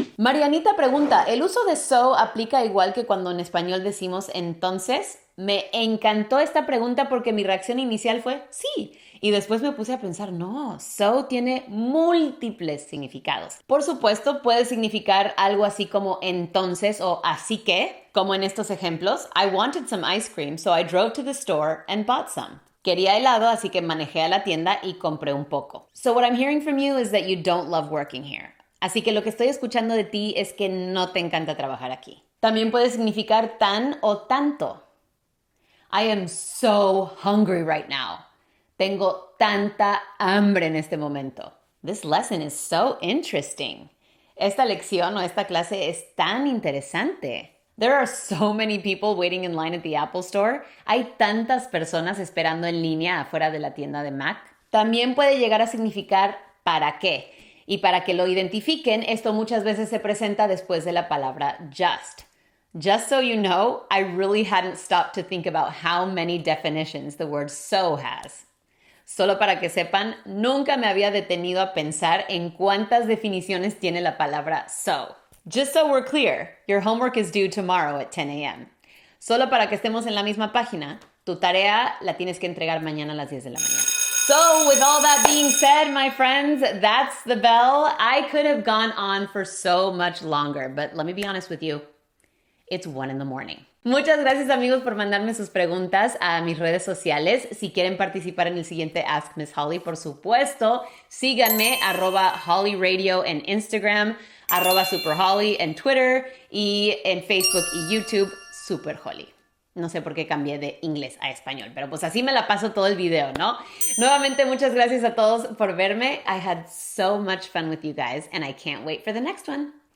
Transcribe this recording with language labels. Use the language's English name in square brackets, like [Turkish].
[Spanish] Marianita pregunta, ¿el uso de so aplica igual que cuando en español decimos entonces? Me encantó esta pregunta porque mi reacción inicial fue sí. Y después me puse a pensar, no, so tiene múltiples significados. Por supuesto, puede significar algo así como entonces o así que, como en estos ejemplos. [English] I wanted some ice cream, so I drove to the store and bought some. [Spanish] Quería helado, así que manejé a la tienda y compré un poco. [English] So what I'm hearing from you is that you don't love working here. [Spanish] Así que lo que estoy escuchando de ti es que no te encanta trabajar aquí. También puede significar tan o tanto. [English] I am so hungry right now. [Spanish] Tengo tanta hambre en este momento. [English] This lesson is so interesting. [Spanish] Esta lección o esta clase es tan interesante. [English] There are so many people waiting in line at the Apple Store. [Spanish] Hay tantas personas esperando en línea afuera de la tienda de Mac. También puede llegar a significar para qué. Y para que lo identifiquen, esto muchas veces se presenta después de la palabra just. [English] Just so you know, I really hadn't stopped to think about how many definitions the word so has. [Spanish] Solo para que sepan, nunca me había detenido a pensar en cuántas definiciones tiene la palabra so. [English] Just so we're clear, your homework is due tomorrow at 10 a.m. [Spanish] Solo para que estemos en la misma página, tu tarea la tienes que entregar mañana a las 10 de la mañana. [English] So, with all that being said, my friends, that's the bell. I could have gone on for so much longer, but let me be honest with you. It's 1 a.m. [Spanish] Muchas gracias, amigos, por mandarme sus preguntas a mis redes sociales. Si quieren participar en el siguiente Ask Miss Holly, por supuesto, síganme, @HollyRadio en Instagram, @SuperHolly en Twitter, y en Facebook y YouTube, SuperHolly. No sé por qué cambié de inglés a español, pero pues así me la paso todo el video, ¿no? Nuevamente, muchas gracias a todos por verme. [English] I had so much fun with you guys, and I can't wait for the next one.